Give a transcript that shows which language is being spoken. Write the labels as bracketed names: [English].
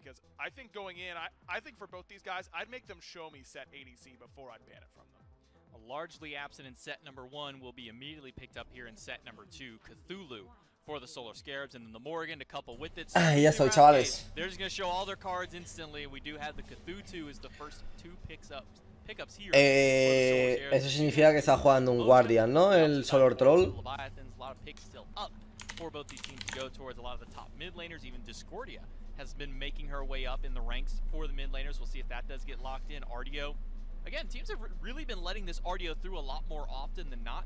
[English] Because I think going in, I think for both these guys, I'd make them show me Set ADC before I'd ban it from them. A largely absent in Set number one will be immediately picked up here in Set number two, Cthulhu. For the Solar Scarabs and then the Morrigan to couple with it. Yes, so Charles. They're just gonna show all their cards instantly. We do have the Cthulhu as the first two pickups here. [Spanish] Eso significa que está jugando un guardia, ¿no? El Solar Troll. [English] Leviathans, a lot of picks still up for both these teams to go towards. A lot of the top mid laners, even Discordia, has been making her way up in the ranks for the mid laners. We'll see if that does get locked in. RDO, again, teams have really been letting this RDO through a lot more often than not.